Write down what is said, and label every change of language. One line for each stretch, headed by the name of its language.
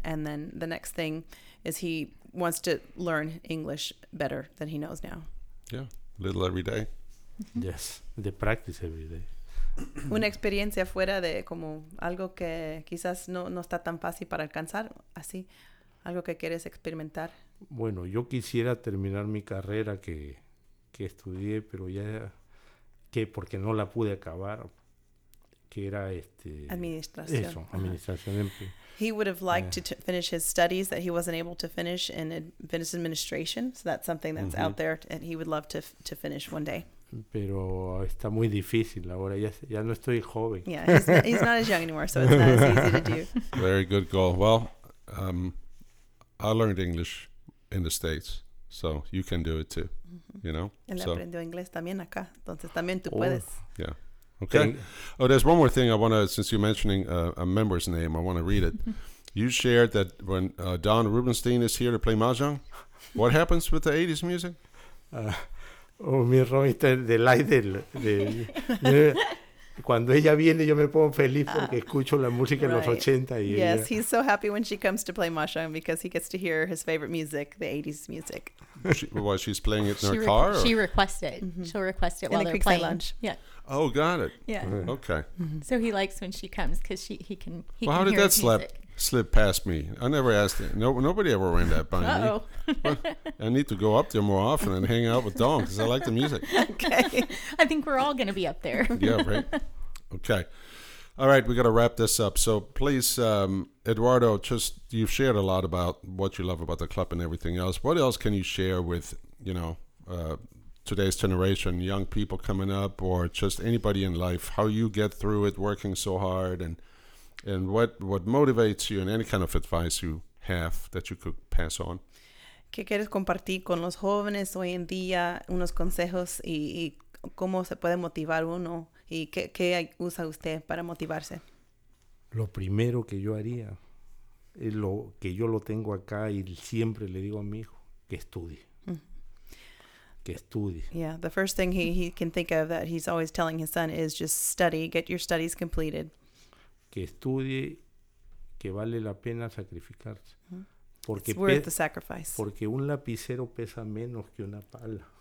English: And then the next thing is he wants to learn English better than he knows now. Yeah, a little every day. Yes, the practice every day.
Spanish: Una experiencia fuera de como algo que quizás no está tan fácil para alcanzar, así, algo que quieres experimentar. Bueno, yo quisiera terminar mi carrera que estudié, pero ya, que porque no la pude acabar, que era este... Administración. Eso, uh-huh. Administración de empleo.
English: He would have liked to finish his studies that he wasn't able to finish in business administration. So that's something that's mm-hmm. out there and he would love to finish one day.
Spanish: Pero está muy difícil ahora. Ya no estoy joven.
English: Yeah, he's not as young anymore, so it's not as easy to do. Very good goal. Well, I learned English in the States, so you can do it too, mm-hmm. you know?
Spanish: Él aprendió inglés también acá. Entonces también tú puedes.
English: Yeah. Okay. Oh, there's one more thing I want to, since you're mentioning a member's name, I want to read it. You shared that when Don Rubenstein is here to play Mahjong, what happens with the 80s music?
Spanish: Mi Robinson, delight de cuando ella viene, yo me pongo feliz porque escucho la música en los 80. Y
English: yes, he's so happy when she comes to play Mahjong because he gets to hear his favorite music, the 80s music. She's playing it in her car? Or? She requests it. Mm-hmm. She'll request it in while the they're playing. Lunch. Yeah. Oh, got it. Yeah. Okay. Mm-hmm. So he likes when she comes because he can hear music. Well, how did that slip past me? I never asked it. No, nobody ever ran that by uh-oh. Me. I need to go up there more often and hang out with Dawn because I like the music. Okay. I think we're all going to be up there. Yeah, right. Okay. All right, we got to wrap this up. So please, Eduardo, just you've shared a lot about what you love about the club and everything else. What else can you share with, you know, today's generation, young people coming up or just anybody in life, how you get through it working so hard and what motivates you and any kind of advice you have that you could pass on?
Spanish: ¿Qué quieres compartir con los jóvenes hoy en día? Unos consejos y cómo se puede motivar uno. ¿Y qué usa usted para motivarse? Lo primero que yo haría es lo que yo lo tengo acá y siempre le digo a mi hijo, que estudie. Mm-hmm. Que estudie.
English: Yeah, the first thing he can think of that he's always telling his son is just study, get your studies completed.
Spanish: Que estudie, que vale la pena sacrificarse.
English: Mm-hmm.
Spanish: Porque
English: it's worth the sacrifice.
Spanish: Porque un lapicero pesa menos que una pala.